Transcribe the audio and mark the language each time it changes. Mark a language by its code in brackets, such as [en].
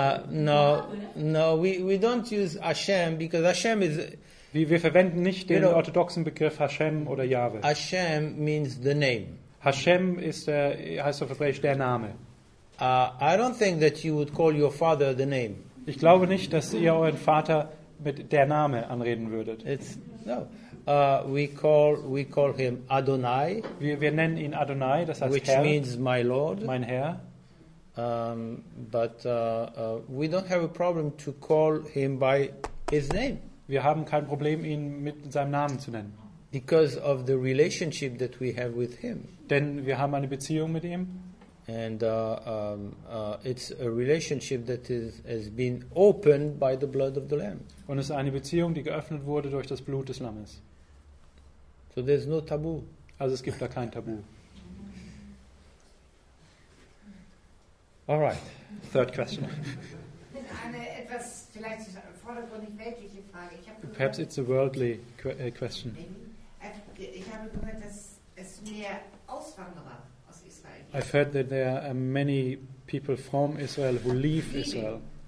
[en] No, we don't use Hashem, because Hashem is... [de] Wir verwenden nicht den orthodoxen Begriff Hashem oder Yahweh. [en] Hashem means the name. [de] Hashem heißt auf Hebräisch der Name. [en] I don't think that you would call your father the name. [de] Ich glaube nicht, dass ihr euren Vater mit der Name anreden würdet. [en] No. We call him Adonai. [de] Wir nennen ihn Adonai, das heißt [en] which [de] Herr, [en] means my Lord, [de] mein Herr. [en] But we don't have a problem to call him by his name. [de] Wir haben kein Problem, ihn mit seinem Namen zu nennen. [en] Because of the relationship that we have with him. [de] Denn wir haben eine Beziehung mit ihm. [en] And it's a relationship that has been opened by the blood of the Lamb. [de] Und es ist eine Beziehung, die geöffnet wurde durch das Blut des Lammes. [en] So there's no taboo. [de] Also es gibt da kein Tabu. [en] All right, third question. [de] Eine etwas vielleicht vordergründig weltliche Frage. Ich habe [en] perhaps it's a worldly question. [de] Ich habe gehört, dass es mehr Auswanderer aus Israel gibt. [en] I've heard that there are many people from Israel who leave Israel.